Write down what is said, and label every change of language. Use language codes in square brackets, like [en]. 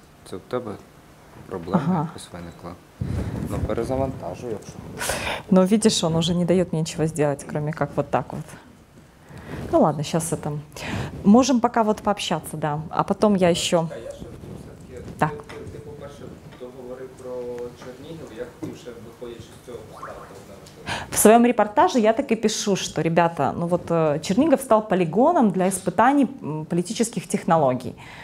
[uk] Це в тебе проблема якось виникла. Перезавантажую, якщо. [ru] Видишь, он уже не дает мне ничего сделать, кроме как вот так вот. Ладно, сейчас это. Можем пока вот пообщаться, да. А потом я еще. [uk] Так. Ти, по-перше, говорив про Чернігів, я хотів ще виходячи з цього штату. [ru] В своем репортаже я так и пишу, что, ребята, Чернігів стал полигоном для испытаний политических технологий.